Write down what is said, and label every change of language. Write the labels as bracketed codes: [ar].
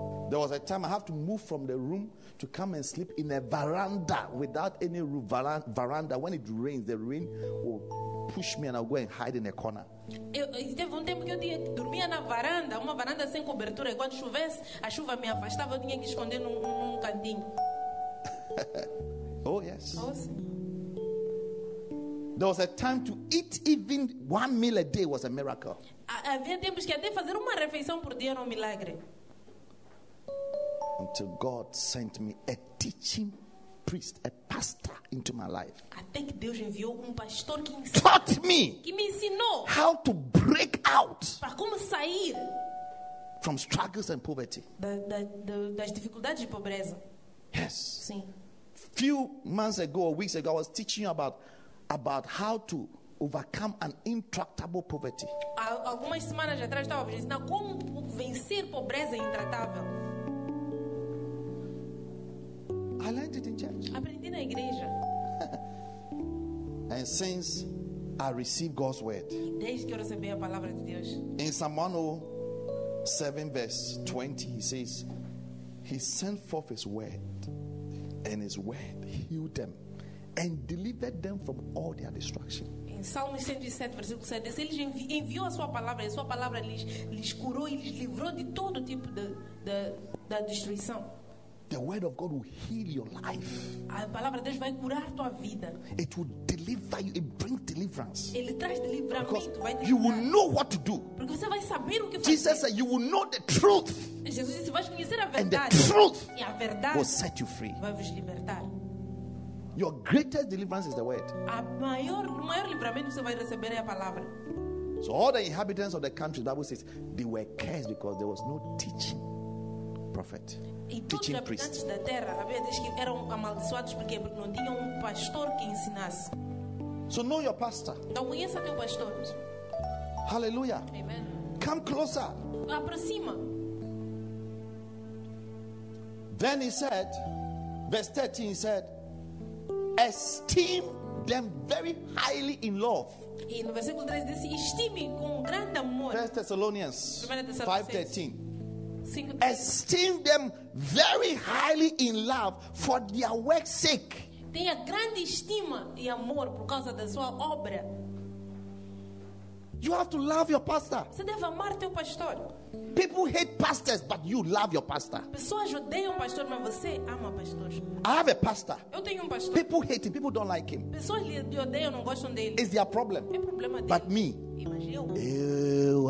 [en] There was a time I have to move from the room to come and sleep in a veranda without any roof. Veranda. When it rains, the rain will push me and I'll go and hide in a corner. [pt] Teve tempo que eu dormia na varanda, uma varanda sem cobertura. E quando chovesse, a chuva me afastava, eu tinha que esconder num cantinho. [en] Oh, yes. Awesome. There was a time to eat even one meal a day was a miracle. [pt] Havia tempos que até fazer uma refeição por dia era milagre. [en] Until God sent me a teaching priest, a pastor into my life. [pt] Até que Deus enviou pastor que [en] taught me, [pt] que me ensinou [en] how to break out [pt] para como sair [en] from struggles and poverty. [pt] Das dificuldades de pobreza. [en] Yes. [pt] Sim. [en] Few months ago or weeks ago, I was teaching you about how to overcome an intractable poverty. [pt] Algumas semanas atrás estava dizendo como vencer pobreza intratável. [en] I learned it in church. [pt] Aprendi na igreja. [en] And since I received God's word. [pt] Desde que eu recebi a palavra de Deus. [en] In Psalm 107 verse 20, he says, he sent forth his word. And his word healed them and delivered them from all their destruction. [pt] Em Salmo 107, versículo 7, ele enviou a sua palavra, e a sua palavra lhes curou e lhes livrou de todo tipo da destruição. [en] The word of God will heal your life. [pt] A palavra de Deus vai curar tua vida. [en] It will deliver you. It brings deliverance. [pt] Ele traz deliverance. [en] Because you will know what to do. [pt] Porque você vai saber o que fazer. [en] Jesus said, "You will know the truth." [pt] Jesus disse, vais conhecer a verdade. [en] And the truth [pt] e a verdade [en] will set you free. [pt] Vai vos libertar. [en] Your greatest deliverance is the word. [pt] O maior livramento você vai receber é a palavra. [en] So all the inhabitants of the country, the Bible says, they were cursed because there was no teaching prophet. Teaching priest. [pt] E todos os habitantes da terra, a Bíblia diz que eram amaldiçoados porque não tinham pastor que ensinasse. [en] So know your pastor. [pt] Então conheça teu pastor. Hallelujah. Amen. [en] Come closer. [pt] Aproxima. [en] Then he said, verse 13, he said, esteem them very highly in love. [pt] E no versículo 13 diz, estime com grande amor. [en] 1 Thessalonians 5:13. Esteem them very highly in love for their work's sake. [pt] Tenha grande estima e amor por causa da sua obra. [en] You have to love your pastor. [pt] Você deve amar teu pastor. [en] People hate pastors, but you love your pastor. [pt] Pessoas odeiam pastor, mas você ama pastor. [en] I have a pastor. [pt] Eu tenho pastor. [en] People hate him. People don't like him. [pt] Pessoas lhe odeiam, não gostam dele. [en] It's their problem. [pt] É problema dele. [en] But me. [pt] Eu